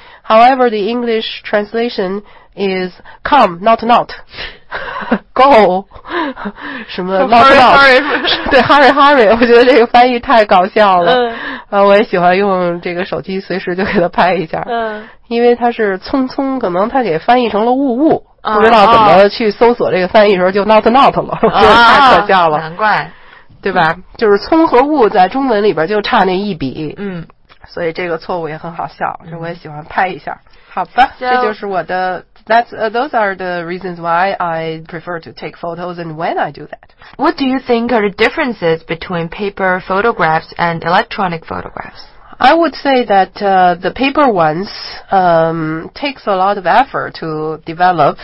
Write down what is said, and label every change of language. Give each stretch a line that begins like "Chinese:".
English: However, the English translation is come, not not. Go.
Chinese: 什么
English: not not.
Chinese: 对
English: hurry, hurry.
Chinese: 我觉得这个翻译太搞笑了。我也喜欢用这个手机随时就给它拍一下。因为它是匆匆，可能它给翻译成了误误。不知道怎么去搜索这个翻译的时候就
English: not not
Chinese: 了。太可笑了。难怪。对吧，就是匆和误在中文里边就差那一笔。嗯。所以这个错误也很好笑，就我也喜欢拍一下。好吧，这就是我的
English: those are the reasons why I prefer to take photos and when I do that. What do you think are the differences between paper photographs and electronic photographs? I would say that the paper ones takes a lot of effort to develop.